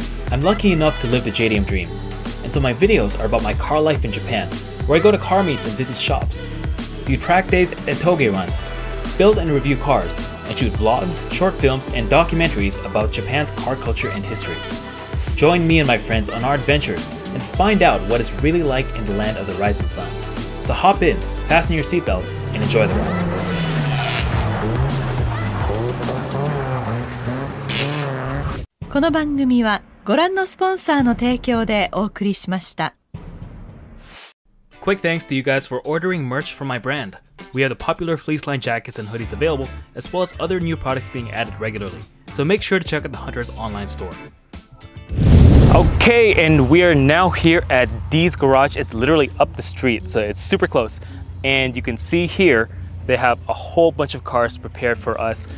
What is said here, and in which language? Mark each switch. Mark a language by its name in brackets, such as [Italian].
[English] I'm lucky enough to live the JDM dream, and so my videos are about my car life in Japan, where I go to car meets and visit shops, do track days and toge runs, build and review cars, and shoot vlogs, short films, and documentaries about Japan's car culture and history. Join me and my friends on our adventures and find out what it's really like in the land of the rising sun. So hop in, fasten your seatbelts, and enjoy the ride. [Japanese] この番組はご覧のスポンサーの提供でお送りしました。 [English] Quick thanks to you guys for ordering merch from my brand. We have the popular fleece line jackets and hoodies available, as well as other new products being added regularly. So make sure to check out the Hunter's online store. Okay, and we are now here at D's Garage. It's literally up the street, so it's super close. And you can see here, they have a whole bunch of cars prepared for us.